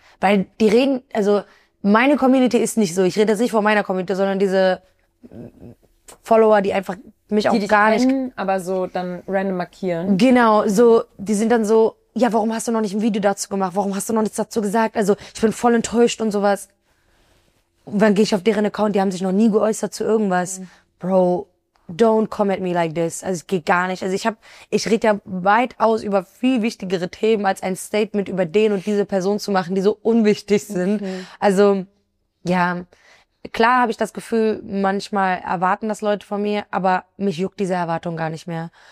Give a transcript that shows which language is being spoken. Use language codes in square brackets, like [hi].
[de] Weil die reden, also meine Community ist nicht so. Ich rede jetzt nicht von meiner Community, sondern diese Follower, die einfach mich auch gar nicht, aber so dann random markieren. Genau, so, die sind dann so, ja, warum hast du noch nicht ein Video dazu gemacht? Warum hast du noch nichts dazu gesagt? Also, ich bin voll enttäuscht und sowas. Und dann gehe ich auf deren Account, die haben sich noch nie geäußert zu irgendwas. [en] Bro, don't come at me like this. [de] Also, ich gehe gar nicht. Also, ich rede ja weitaus über viel wichtigere Themen, als ein Statement über den und diese Person zu machen, die so unwichtig sind. Also, ja. Klar habe ich das Gefühl, manchmal erwarten das Leute von mir, aber mich juckt diese Erwartung gar nicht mehr.